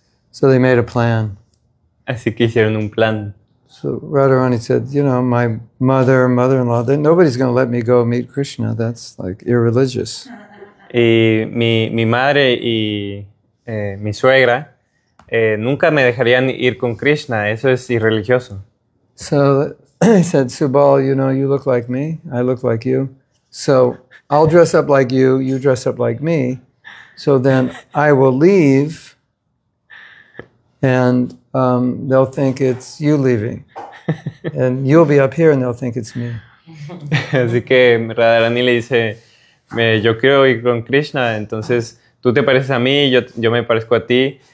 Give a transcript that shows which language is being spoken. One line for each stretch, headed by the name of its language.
English: So they made a plan.
Spanish: Así que hicieron un plan.
English: So Radharani said, you know, my mother-in-law, nobody's going to let me go meet Krishna. That's like irreligious.
Spanish: Y mi madre y mi suegra nunca me dejarían ir con Krishna. Eso es irreligioso.
English: So I said, Subal, you know, you look like me. I look like you. So I'll dress up like you. You dress up like me. So then I will leave. And they'll think it's you leaving. And you'll be up here and they'll think it's me.
Spanish: Así que Radharani le dice, yo quiero ir con Krishna, entonces tú te pareces a mí, yo me parezco a ti.